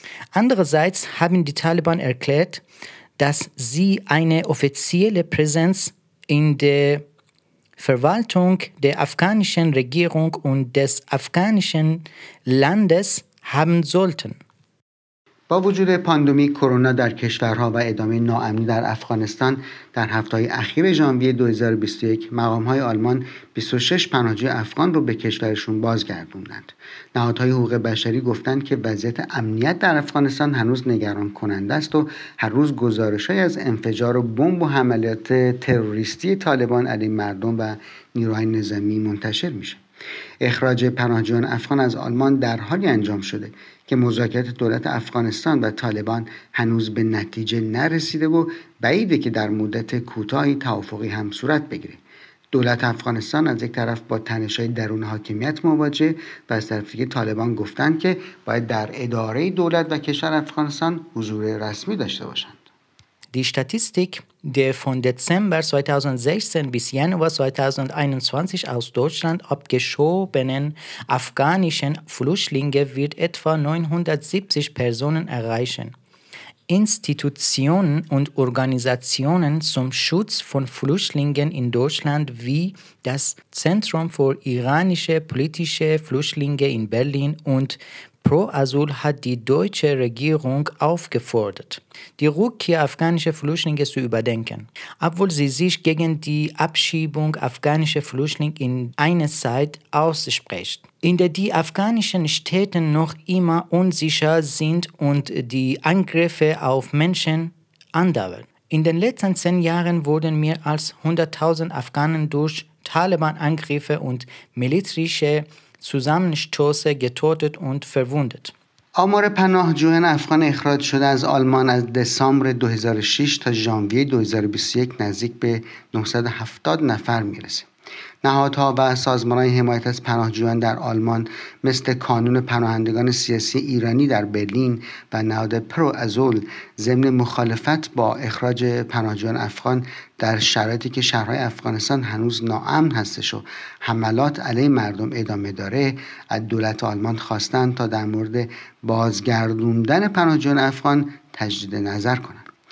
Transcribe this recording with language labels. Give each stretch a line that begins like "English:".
German: Andererseits haben die Taliban erklärt, dass sie eine offizielle Präsenz in der Verwaltung der afghanischen Regierung und des afghanischen Landes haben sollten.
Persian: با وجود پاندمی کرونا در کشورها و ادامه ناامنی در افغانستان در هفته‌های اخیر ژانویه 2021 مقام‌های آلمان 26 پناهجوی افغان رو به کشورشون بازگردوندند. نهادهای حقوق بشری گفتند که وضعیت امنیت در افغانستان هنوز نگران کننده است و هر روز گزارش‌هایی از انفجار و بمب و حملات تروریستی طالبان علیه مردم و نیروهای نظامی منتشر میشه. اخراج پناهجویان افغان از آلمان در حالی انجام شده که مذاکرات دولت افغانستان و طالبان هنوز به نتیجه نرسیده و بعیده که در مدت کوتاهی توافقی هم صورت بگیره. دولت افغانستان از یک طرف با تنش‌های درون حاکمیت مواجه و از طرف دیگه طالبان گفتند که باید در اداره دولت و کشور افغانستان حضور رسمی داشته باشند.
German: Die Statistik der von Dezember 2016 bis Januar 2021 aus Deutschland abgeschobenen afghanischen Flüchtlinge wird etwa 970 Personen erreichen. Institutionen und Organisationen zum Schutz von Flüchtlingen in Deutschland wie das Zentrum für iranische politische Flüchtlinge in Berlin und Pro Asyl hat die deutsche Regierung aufgefordert, die Rückkehr afghanischer Flüchtlinge zu überdenken. Obwohl sie sich gegen die Abschiebung afghanischer Flüchtlinge in einer Zeit ausspricht, in der die afghanischen Städte noch immer unsicher sind und die Angriffe auf Menschen andauern. In den letzten 10 Jahren wurden mehr als 100.000 Afghanen durch Taliban-Angriffe und militärische zusammenstoße getötet und verwundet.
Persian: آمار پناهجویان افغان اخراج شده از آلمان از دسامبر 2006 تا ژانویه 2021 نزدیک به 970 نفر میرسه. نهادها و سازمانهای حمایت از پناهجویان در آلمان مثل کانون پناهندگان سیاسی ایرانی در برلین و نهاد پرو ازول ضمن مخالفت با اخراج پناهجویان افغان در شرایطی که شهرهای افغانستان هنوز ناامن هستش و حملات علیه مردم ادامه داره از دولت آلمان خواستند تا در مورد بازگردوندن پناهجویان افغان تجدید نظر کنند.